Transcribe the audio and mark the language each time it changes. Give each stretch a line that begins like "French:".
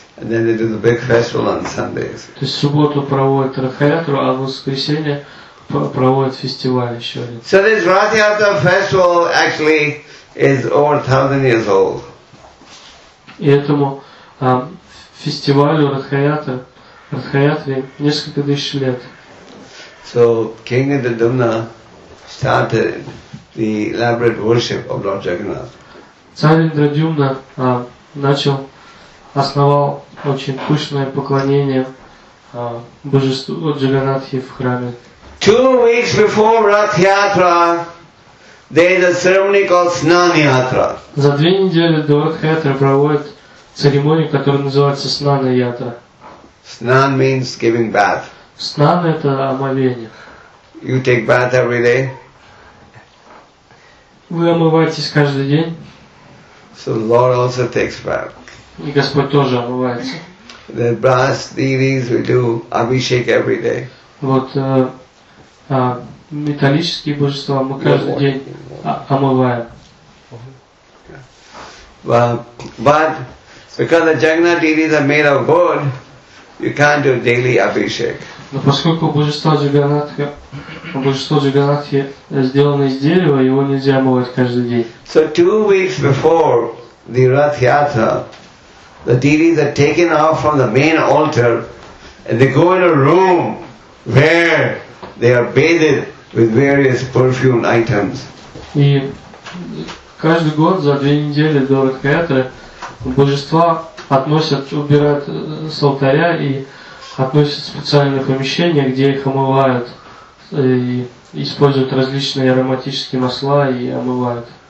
English: And then they do the big festival on Sundays.
Russian: То есть в субботу проводят Ратхаятру, а в воскресенье проводят фестиваль еще один.
English: So this Ratha-yatra festival actually is over 1,000 years old.
Russian: И этому фестивалю Ратхаятре несколько тысяч лет.
English: So King Indradumna started the elaborate worship of Lord Jagannath.
Russian: Царь Индрадюмна начал, основал очень пышное поклонение божеству Джаганнатхи в храме.
English: 2 weeks before Ratha-yatra, there is a ceremony called Snana-yatra.
Russian: За 2 недели до Ратха-yatra проводят церемонию, которая называется Снана-yatra.
English: Snan means giving bath.
Russian: Snan – это омовение.
English: You take bath every day.
Russian: Вы омываетесь каждый день.
English: So the Lord also takes bath.
Russian: И Господь тоже омывается.
English: The brass deities we do Abhishek every day.
Russian: Вот. Металлические божества мы каждый день омываем.
English: But because the Jagannath deities are made of wood, you can't do daily abhishek.
Russian: Но поскольку божество Джаганнатхи сделано из дерева, его нельзя омывать каждый день.
English: So 2 weeks before the Ratha-yatra, the deities are taken off from the main altar and they go in a room where they are bathed with various perfume items.
Russian: И каждый год за 2 недели до Ратха-yatra божества относят, убирают с алтаря и относят в специальное помещение, где их омывают и используют различные ароматические масла и омывают.